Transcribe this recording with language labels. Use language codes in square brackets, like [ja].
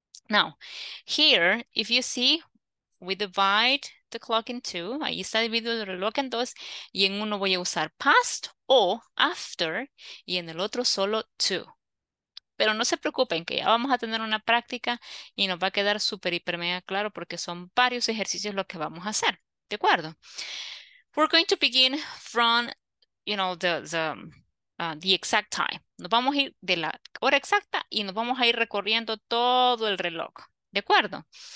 [en] Now, here, if you see, we divide the clock in two. [es] Ahí está dividido el reloj en dos. Y en uno voy a usar past o after. Y en el otro solo to. Pero no se preocupen que ya vamos a tener una práctica y nos va a quedar súper, hiper, mega claro porque son varios ejercicios los que vamos a hacer. ¿De acuerdo? [en] We're going to begin from, you know, the exact time. [es] Nos vamos a ir de la hora exacta y nos vamos a ir recorriendo todo el reloj. ¿De acuerdo?